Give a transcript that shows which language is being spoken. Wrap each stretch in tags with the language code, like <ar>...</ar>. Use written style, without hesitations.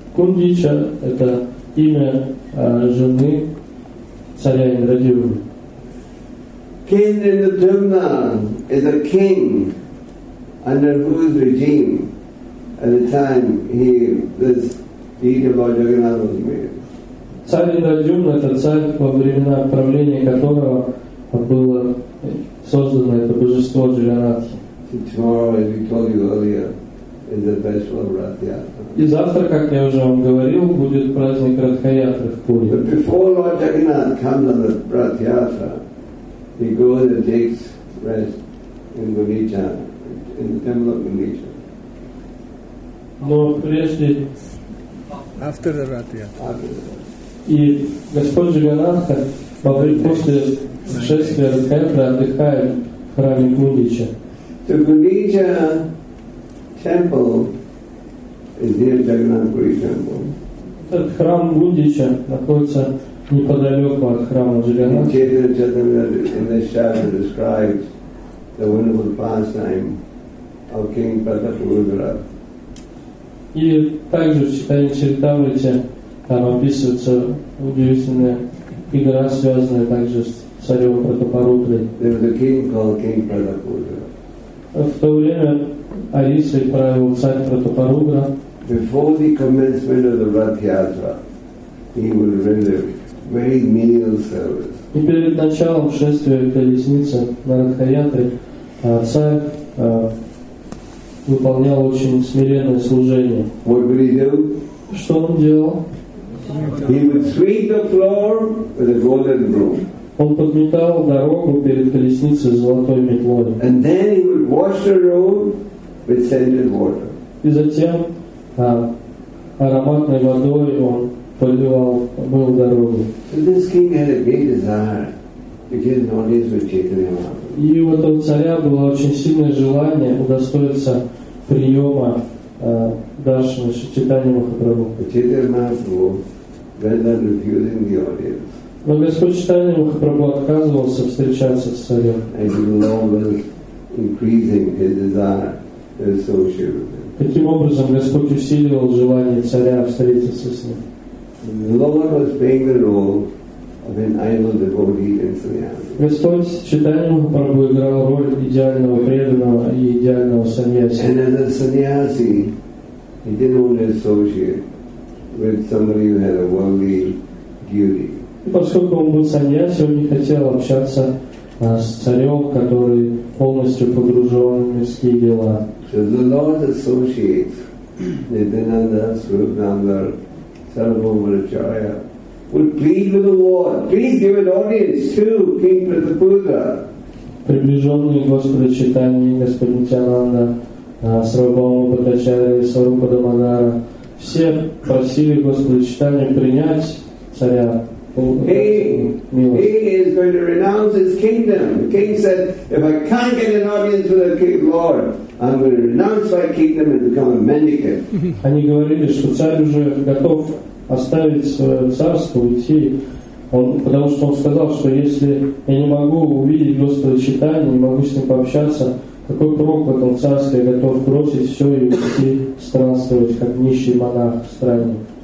<ru>Гундича – это имя жены царя Индрадюмны.</ru> <en>King Indradumna is a king under whose regime at the time he this deed about Jagannath was made.</en> <ru>Царь Индрадюмна – это царь, во времена правления которого было создано это божество Джаганатхи.</ru> <en>Tomorrow, as we told you earlier, is the festival of Rath Yatra.</en> <ru>И завтра, как я уже вам говорил, будет праздник Ратхаятры в Пуре.</ru> <en>But before Lord Jagannath comes on the Rath Yatra, he goes and takes rest in Gundicha, in the temple of Gundicha.</en> <ru>Но прежде...</ru> <en>After the Rath Yatra.</en> <ru>И Господь Джаганатх после шествия Ратхаятры отдыхает в храме Гундича.</ru> <en>So Gundicha temple is near Jagannath Puri temple.</en> <ru>Этот храм Гундича находится неподалеку от храма Джаганатха.</ru> <en>Chaitanya Charitamrita in this chapter describes the wonderful pastime of King Pratapurudra.</en> <ru>И также в Чайтанья Чаритамрите там описывается удивительная игра, связанная также с царевым Пратапарудрой.</ru> <en>There was a king called King Pratapudra.</en> <ru>В то время Арисой правил царь Пратапарудра.</ru> <en>Before the commencement of the Rath Yatra, he would render very menial service.</en> <ru>И перед началом шествия колесницы на Ратха-Ятре царь выполнял очень смиренное служение.</ru> <en>What would he do?</en> <ru>Что он делал?</ru> <en>He would sweep the floor with a golden broom.</en> <ru>Он подметал дорогу перед колесницей с золотой метлой.</ru> <en>And then he would wash the road with scented water.</en> <ru>И затем ароматной водой он поливал, мыл дорогу.</ru> <en>So this king had a great desire to get an audience with Chaitanya Mahaprabhu.</en> <ru>И у этого царя было очень сильное желание удостоиться приема Даршана Шри Чайтаньи Махапрабху.</ru> <en>But Chaitanya Mahaprabhu went on refusing the audience.</en> <ru>Но Господь Чайтанья Махапрабху отказывался встречаться с царем.</ru> <en>And he was always increasing his desire to associate with him.</en> <ru>Таким образом, Господь усиливал желание царя встретиться с ним.</ru> <en>The Lord was playing the role of an ideal devotee in sannyasi.</en> <ru>Господь Чайтанья Махапрабху играл роль идеального преданного и идеального саньяси.</ru> <en>And as a sannyasi, he didn't want to associate with somebody who had a worldly duty.</en> <ru>И поскольку он был саньяси, он не хотел общаться с царем, который полностью погружен в мирские дела.</ru> <en>So the Lord associates Nityananda, Swarupananda, Sarvabhauma Acharya would plead with the Lord, please give an audience to King Pratapudra.</en> <ru>Приближенные Господа Чайтаньи, Господь Нитьянанда, Сарвабхаума Бхаттачарья и Сварупа Дамодара, все просили Господа Чайтаньи принять царя.</ru> <en>He is going to renounce his kingdom. The king said, if I can't get an audience with the king, Lord, I'm going to renounce my kingdom and become a mendicant.</en> <ru>Они говорили, что царь уже готов оставить свое царство, уйти. Он, потому что он сказал, что если я не могу увидеть Господа Чайтанью, не могу с ним пообщаться, какой прок в этом царстве, я готов бросить все и уйти странствовать, как нищий монах в стране.</ru>